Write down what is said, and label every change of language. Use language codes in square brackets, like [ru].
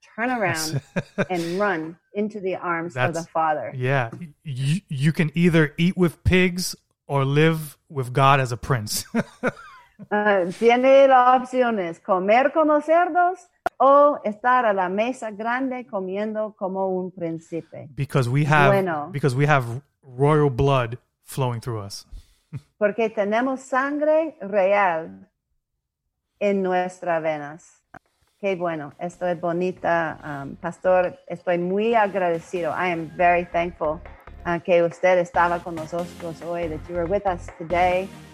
[en] Turn around and run into the arms of the Father. Yeah. You can either eat with pigs or live with God as a prince. [es] tiene las opciones comer con los cerdos o estar a la mesa grande comiendo como un príncipe. [en] Because we have royal blood flowing through us. [es] Porque tenemos sangre real en nuestras venas. Qué bueno, esto es bonita. Pastor, estoy muy agradecido. [en] I am very thankful [es] que usted estaba con nosotros hoy, [en] that you were with us today.